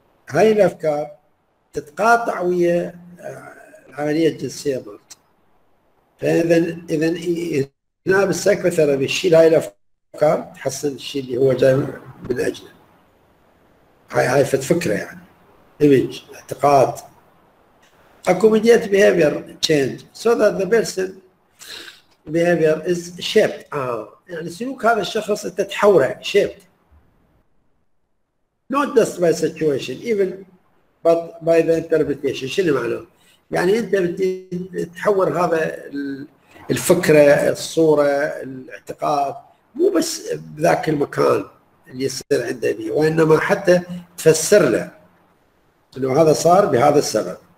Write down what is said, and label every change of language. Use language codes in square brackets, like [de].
[ar] هاي الأفكار تتقاطع ويا العملية الجنسية مالت، فإذا هنا بالسايكوثيرابي تشيل هاي الأفكار تحسن الشيء اللي هو جاي من أجله، هاي فكرة يعني، إيمج، اعتقاد. [en] Accommodate behavior change so that the person behavior is shaped. [ar] يعني سلوك هذا الشخص تتحوره shaped. [en] Not just by situation even but by the interpretation. [ar] شنو معناه؟ يعني انت تتحور هذا الفكرة، الصورة، الاعتقاد، مو بس بذاك المكان اللي يصير عنده بي، وإنما حتى تفسر له انه هذا صار بهذا السبب.